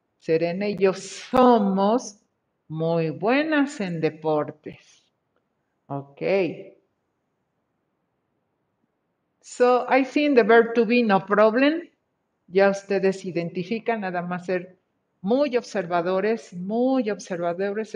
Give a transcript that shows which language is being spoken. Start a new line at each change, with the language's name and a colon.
Spanish: Serena y yo somos muy buenas en deportes. Ok.
English: So, I think the verb to be, no problem.
Spanish: Ya ustedes identifican, nada más ser muy observadores, muy observadores.